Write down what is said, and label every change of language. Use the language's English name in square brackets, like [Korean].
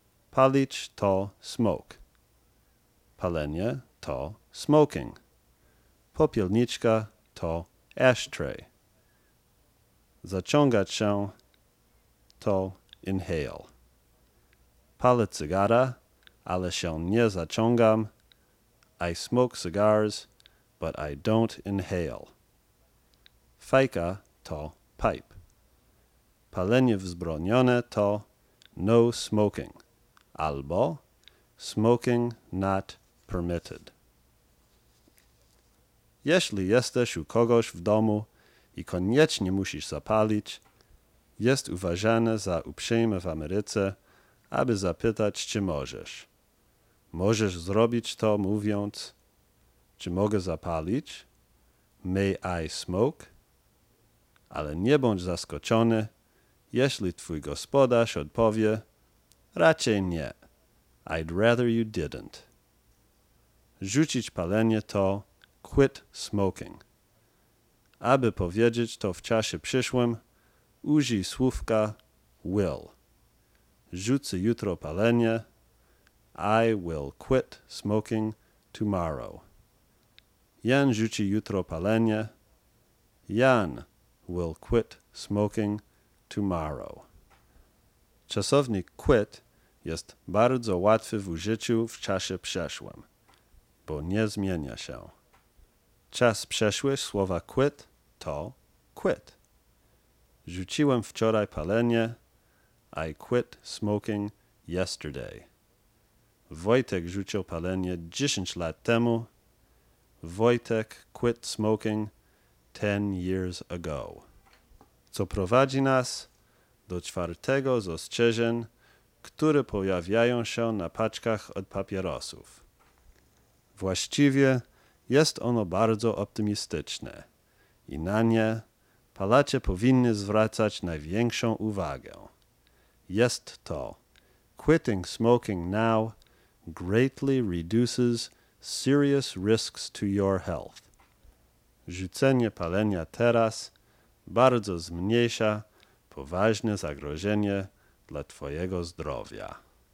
[Polish] Palić to smoke. Palenie to smoking. Popielniczka to ashtray. Zaciągać się to inhale. Palę cygara, ale się nie zaciągam. [English] I smoke cigars, but I don't inhale. [Polish] Fajka to pipe. Palenie wzbronione to no smoking, albo smoking not permitted. Jeśli jesteś u kogoś w domu i koniecznie musisz zapalić, jest uważane za uprzejme w Ameryce, aby zapytać, czy możesz. Możesz zrobić to, mówiąc: czy mogę zapalić? [English] May I smoke? [Polish] Ale nie bądź zaskoczony, jeśli twój gospodarz odpowie: raczej nie. [English] I'd rather you didn't. [Polish] Rzucić palenie to [English] quit smoking. [Polish] Aby powiedzieć to w czasie przyszłym, użyj słówka will. Rzucę jutro palenie. [English] I will quit smoking tomorrow. [Polish] Jan rzuci jutro palenie. [English] Jan will quit smoking tomorrow. [Polish] Czasownik quit jest bardzo łatwy w użyciu w czasie przeszłym, bo nie zmienia się. Czas przeszły słowa quit to quit. Rzuciłem wczoraj palenie. [English] I quit smoking yesterday. [Polish] Wojtek rzucił palenie 10 lat temu. [English] Wojtek quit smoking 10 years ago. [Polish] Co prowadzi nas do czwartego z ostrzeżeń, które pojawiają się na paczkach od papierosów. Właściwie jest ono bardzo optymistyczne i na nie palacze powinny zwracać największą uwagę. jest to. [English] Quitting smoking now greatly reduces serious risks to your health. [Polish] Rzucenie palenia teraz bardzo zmniejsza poważne zagrożenie dla twojego zdrowia.